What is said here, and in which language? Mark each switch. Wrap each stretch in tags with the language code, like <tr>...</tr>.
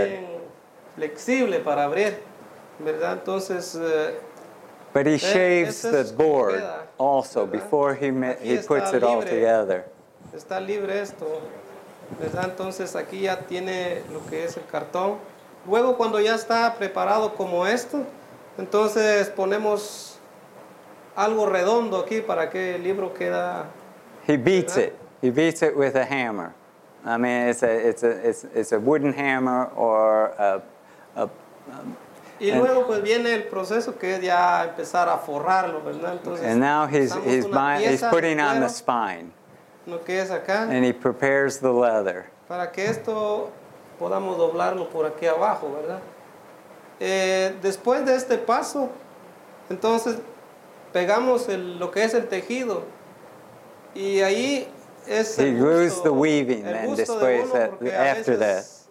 <es>Es bien flexible para abrir. ¿Verdad? Entonces</es> <en>but he shaves the board also before he puts it all together.</en> <es>Está libre esto, ¿verdad? Entonces aquí ya tiene lo que es el cartón. Luego cuando ya está preparado como esto, entonces ponemos algo redondo aquí para que el libro queda.</es> <en>He beats it. He beats it with a hammer. I mean, it's a wooden hammer or a</en> <es>y luego pues viene el proceso que es ya empezar a forrarlo, ¿verdad? Entonces,</es> <en>and now he's putting on the spine.</en> <es>Lo que es acá.</es> <en>And he prepares the leather.</en> <es>Para que esto podamos doblarlo por aquí abajo, ¿verdad? Después de este paso, entonces pegamos lo que es el tejido. Y ahí es</es> <en>he glues the weaving then</en> <es>después</es> <en>after that.</en>